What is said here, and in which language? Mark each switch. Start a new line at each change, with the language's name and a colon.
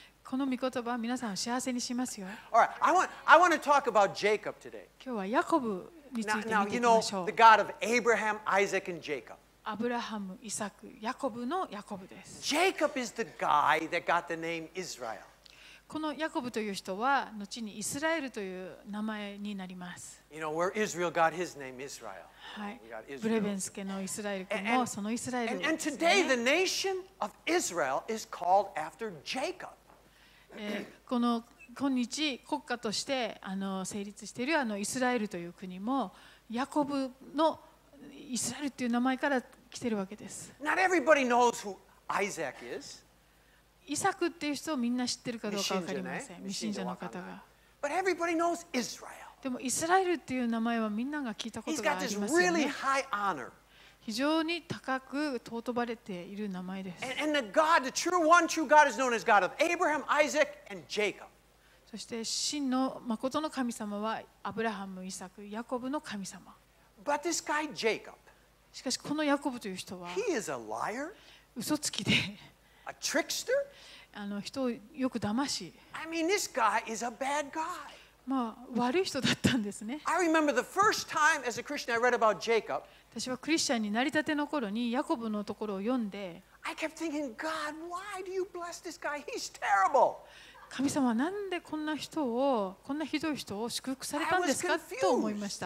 Japanese: この御言葉は皆さんを幸せにしますよ。
English: All right. I want to talk about Jacob today.
Japanese: 今日はヤコブ。
English: Now, you know the God of Abraham, Isaac, and Jacob.
Japanese: Abraham, Isaac, Jacob のヤコブです。
English: Jacob is the guy that got the name Israel.
Japanese: このヤコブという人は後にイスラエルという名前になります。
English: You know where Israel got his name, Israel.
Japanese: ブレベンスケのイスラエル君もそのイスラエルですね。
English: And today the nation of Israel is called after Jacob.
Japanese: この今日国家として成立しているイスラエルという国もヤコブのイスラエルという名前から来ているわけです。
English: Not everybody knows who Isaac is.
Japanese: イサクという人をみんな知っているかどうか分かりません。未信者の方が。
English: But everybody knows Israel.
Japanese: でもイスラエルという名前はみんなが聞いたことがありますよね。
English: He's got this really high honor.
Japanese: 非常に高く尊ばれている名前です。
English: And the God, the true one true God is known as God of Abraham, Isaac, and Jacob.
Japanese: そして真の誠の神様はアブラハム、イサク、ヤコブの神様。
English: But this guy, Jacob,
Japanese: しかしこのヤコブという人は
English: He is a liar,
Japanese: 嘘つきで
English: a trickster,
Japanese: 人をよく騙し
English: I mean, this guy is a bad guy.
Japanese: まあ悪い人だったんですね。
English: I remember the first time as a Christian I read about Jacob.
Japanese: 私はクリスチャンになりたての頃にヤコブのところを読んで
English: I kept thinking, God, why do you bless this guy? He's terrible.
Japanese: 神様はなんでこんな人をこんなひどい人を祝福されたんですかと思いました。